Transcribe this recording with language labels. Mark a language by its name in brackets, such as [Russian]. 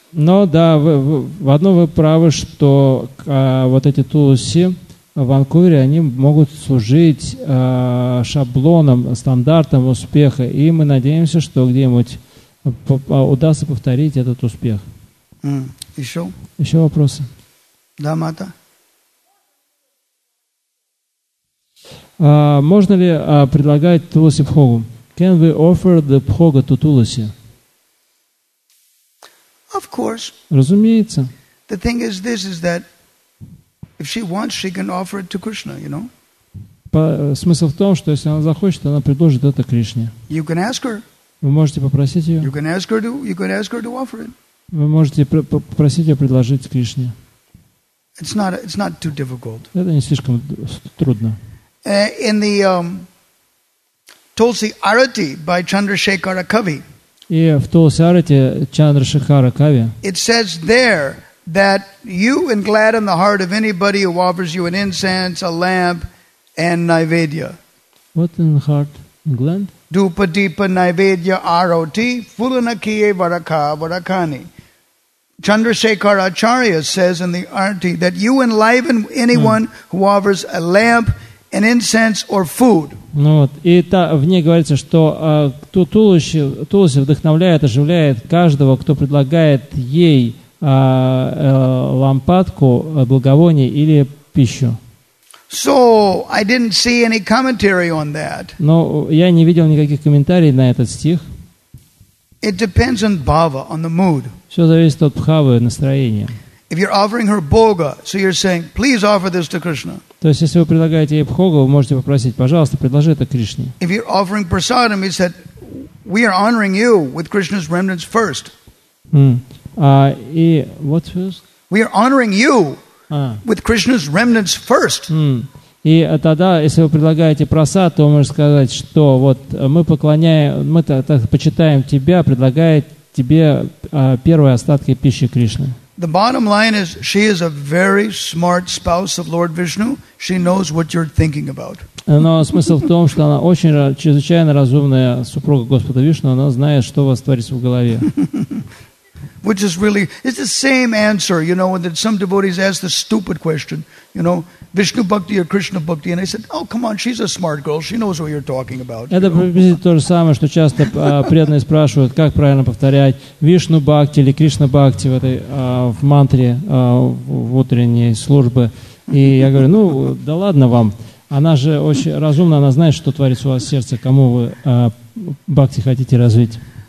[Russian] Но да, в одном вы правы, что вот эти тулуси в Ванкувере, они могут служить шаблоном, стандартом успеха. И мы надеемся, что где-нибудь удастся повторить этот успех. Еще? Еще вопросы? Да, Мата. Можно ли предлагать тулуси Пхогу? [English] Can we offer the Пхога to Tulsi? Of course. [Russian] Разумеется. [English] The thing is this, is that if she wants, she can offer it to Krishna, you know? [Russian] Смысл в том, что если она захочет, она предложит это Кришне. [English] You can ask her. [Russian] Вы можете попросить ее. [English] You can ask her to offer it. [Russian] Вы можете попросить ее предложить Кришне. [English] It's not too difficult. [Russian] Это не слишком трудно. [English] In the Tulsi Arati by Chandrasekhara Kavi. [Russian] И в Тулси Арати Чандрашекхара Кави. [English] It says there that you can gladden the heart of anybody who offers you an incense, a lamp, and naivedya. What in the heart? Gland? [Bangla] Dupa dipa naivedya aroti fulanakiye varaka varakani. [English] Chandrasekhara Acharya says in the Arati that you enliven anyone who offers a lamp, an incense or food. [Russian] Ну вот, и та, в ней говорится, что тулуси вдохновляет, оживляет каждого, кто предлагает ей лампадку, благовоние или пищу. [English] So I didn't see any commentary on that. [Russian] Но я не видел никаких комментариев на этот стих. [English] It depends on bhava, on the mood. [Russian] Все зависит от бхавы, настроения. [English] If you're offering her bhoga, so you're saying, please offer this to Krishna. [Russian] То есть, если вы предлагаете ей бхогу, вы можете попросить, пожалуйста, предложи это Кришне. [English] If you're offering prasadam, he said, we are honoring you with Krishna's remnants first. И what first? We are honoring you with Krishna's remnants first. [Russian] И тогда, если вы предлагаете прасад, то вы можете сказать, что вот мы поклоняем, мы так почитаем тебя, предлагая тебе первые остатки пищи Кришны. [English] The bottom line is, she is a very smart spouse of Lord Vishnu. She knows what you're thinking about. [Russian] Но смысл в том, что она очень чрезвычайно разумная супруга Господа Вишну. Она знает, что у вас творится в голове. [English] Which is really, it's the same answer, you know, that some devotees ask the stupid question, you know, Vishnu Bhakti or Krishna Bhakti, and I said, oh, come on, she's a smart girl, she knows what you're talking about. [Russian] Это приблизительно то же самое, что часто преданные спрашивают, как правильно повторять Вишну Бхакти или Кришна Бхакти в этой в мантре в утренней службе. И я говорю, ну, да ладно вам, она же очень разумна, она знает, что творится у вас в сердце, кому вы Бхакти хотите развить.